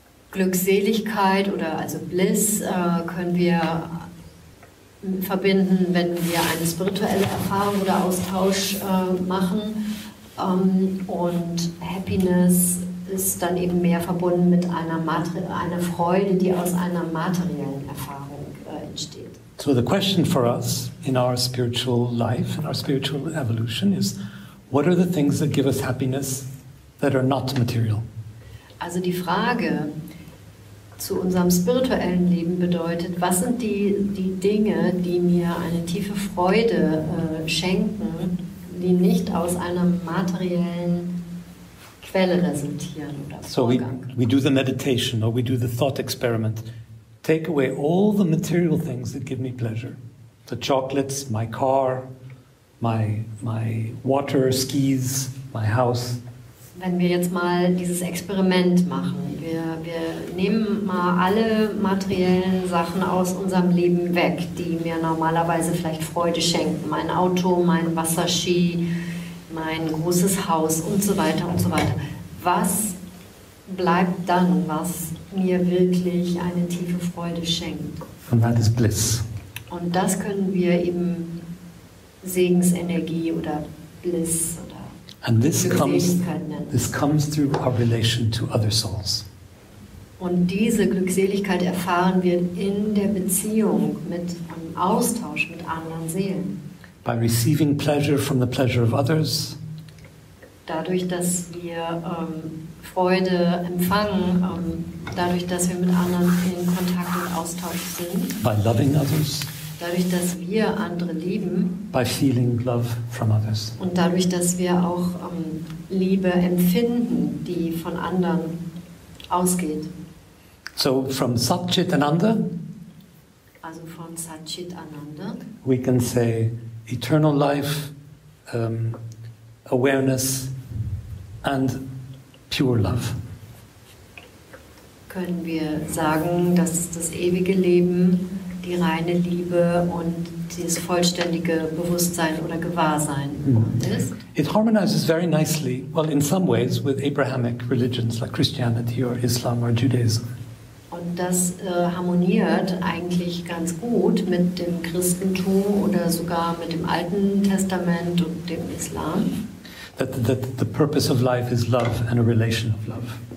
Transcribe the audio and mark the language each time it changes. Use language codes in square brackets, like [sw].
[de] Glückseligkeit oder also Bliss können wir verbinden, wenn wir eine spirituelle Erfahrung oder Austausch machen. Und Happiness ist dann eben mehr verbunden mit einer Freude, die aus einer materiellen Erfahrung entsteht. [en] So the question for us in our spiritual life, in our spiritual evolution is, what are the things that give us happiness that are not material? [de] Also die Frage zu unserem spirituellen Leben bedeutet, was sind die Dinge, die mir eine tiefe Freude schenken, die nicht aus einer materiellen Quelle resultieren oder Vorgang? [en] So we do the meditation or we do the thought experiment. Take away all the material things that give me pleasure. the chocolates, my car, my water skis, my house. [de] Wenn wir jetzt mal dieses Experiment machen, wir nehmen mal alle materiellen Sachen aus unserem Leben weg, die mir normalerweise vielleicht Freude schenken. Mein Auto, mein Wasserski, mein großes Haus und so weiter und so weiter. Was bleibt dann, was mir wirklich eine tiefe Freude schenkt? Und das ist Bliss. Und das können wir eben Segensenergie oder Bliss oder [en] And this comes through our relation to other souls. [de] Und diese Glückseligkeit erfahren wir in der Beziehung mit einem Austausch mit anderen Seelen. [en] By receiving pleasure from the pleasure of others. [de] Dadurch, dass wir Freude empfangen, dadurch, dass wir mit anderen in Kontakt und Austausch sind. [en] By loving others. [de] Dadurch, dass wir andere lieben. [en] By feeling love from others. [de] Und dadurch, dass wir auch Liebe empfinden, die von anderen ausgeht. [en] So from Satchitananda. [de] Also von Satchitananda. [en] We can say eternal life, awareness and pure love. [de] Können wir sagen, dass das ewige Leben, die reine Liebe und dieses vollständige Bewusstsein oder Gewahrsein ist. [en] It harmonizes very nicely, well, in some ways, with Abrahamic religions like Christianity or Islam or Judaism. [de] Und das harmoniert eigentlich ganz gut mit dem Christentum oder sogar mit dem Alten Testament und dem Islam. [en] That the purpose of life is love and a relation of love.